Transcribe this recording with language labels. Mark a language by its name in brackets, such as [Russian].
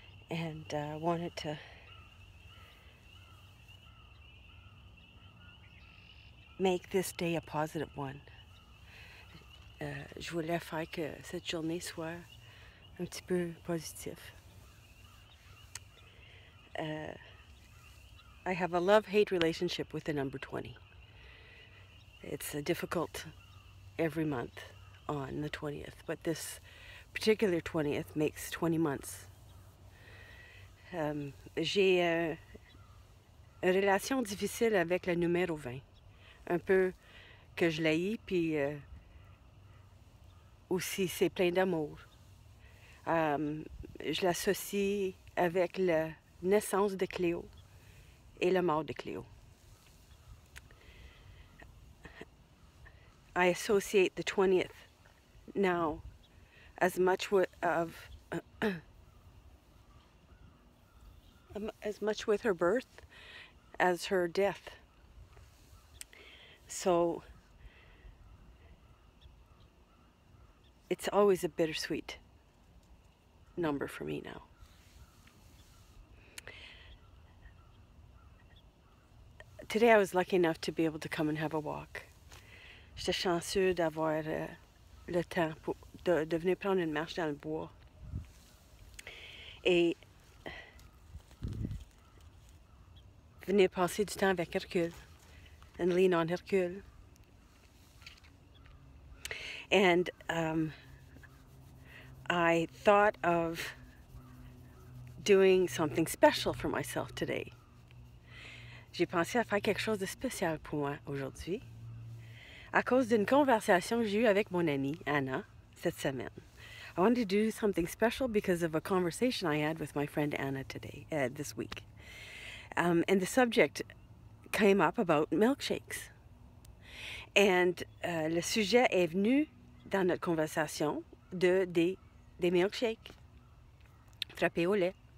[English] And I wanted to make this day a positive one. [French] Je voulais faire que cette journée soit un petit peu positif. [English] I have a love-hate relationship with the number 20. It's a difficult every month on the 20th, but this particular 20th makes 20 months. [French] J'ai une relation difficile avec le numéro 20. Un peu que je l'haïs, puis aussi c'est plein d'amour. Je l'associe avec la naissance de Cléo et la mort de Cléo. [English] I associate the 20th now as much with her birth as her death. So it's always a bittersweet number for me now. Today I was lucky enough to be able to come and have a walk. [French] J'étais chanceux d'avoir le temps pour de venir prendre une marche dans le bois. Et venir passer du temps avec Hercule [English] and lean on Hercule. And I thought of doing something special for myself today. [French] J'ai pensé à faire quelque chose de spécial pour moi aujourd'hui à cause d'une conversation que j'ai eue avec mon amie Anna cette semaine. [English] I wanted to do something special because of a conversation I had with my friend Anna today, this week. And the subject came up about milkshakes. [French] And le sujet est venu dans notre conversation des milkshakes frappés au lait.